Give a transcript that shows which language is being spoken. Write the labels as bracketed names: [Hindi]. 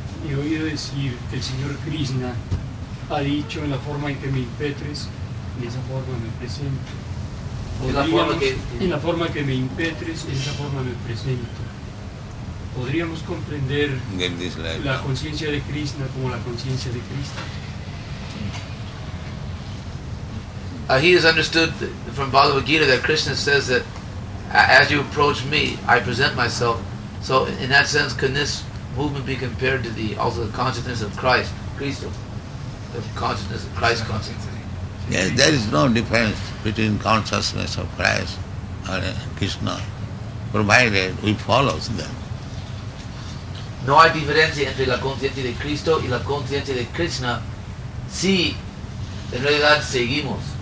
[Spanish] He oído decir que el señor Krishna ha dicho en la forma en que me impetres, en esa forma me presento. En la forma que me impetres, en esa forma me presento. ¿Podríamos comprender la conciencia de Krishna como la conciencia de Cristo? [English] He has understood from Bhagavad Gita that Krishna says that as you approach me, I present myself. So in that sense, can this movement be compared to the consciousness of Christ, Cristo, the consciousness of Christ consciousness? Yes, there is no difference between consciousness of Christ and Krishna, provided we follow them. [Spanish] No hay diferencia entre la conciencia de Cristo y la conciencia de Krishna si en realidad seguimos.